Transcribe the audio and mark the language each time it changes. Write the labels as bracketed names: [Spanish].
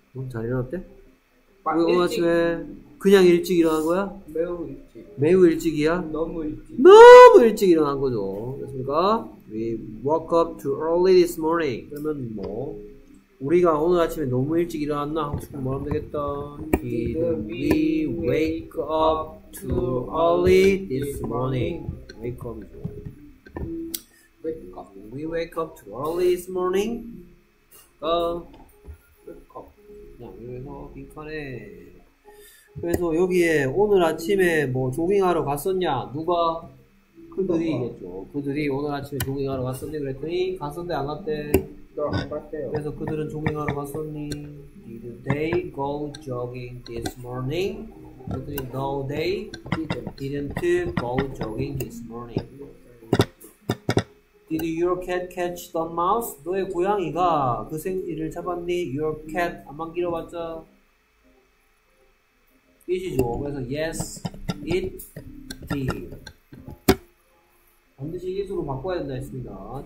[Korean] 잘 일어났대? 우리 오늘 아침에 그냥 일찍 일어난 거야? 매우 일찍이야? 너무 일찍 일어난 거죠. 그렇습니까? [English] We woke up too early this morning. [Korean] 그러면 뭐 우리가 오늘 아침에 너무 일찍 일어났나? 하고 싶으면 뭐 하면 되겠다. [English] Did we wake up too early this morning? Wake up. Wake up. We wake up too early this morning. Wake up. [Korean] 야, 왜서 빈칸에? 그래서 여기에 오늘 아침에 뭐 조깅하러 갔었냐? 누가? 그들이겠죠. 그들이 오늘 아침에 조깅하러 갔었니? 그랬더니 갔었대 안 갔대? 너 안 갔대요. 그래서 그들은 조깅하러 갔었니? [English] Did they go jogging this morning? [Korean] 그들이 [English] no they didn't go jogging this morning. Did your cat catch the mouse? [Korean] 너의 고양이가 그 생쥐를 잡았니? [English] Your cat [Korean] 안만 길어봤자? 이시죠. 그래서 [English] yes, it did. [Korean] 반드시 it으로 바꿔야 된다 했습니다.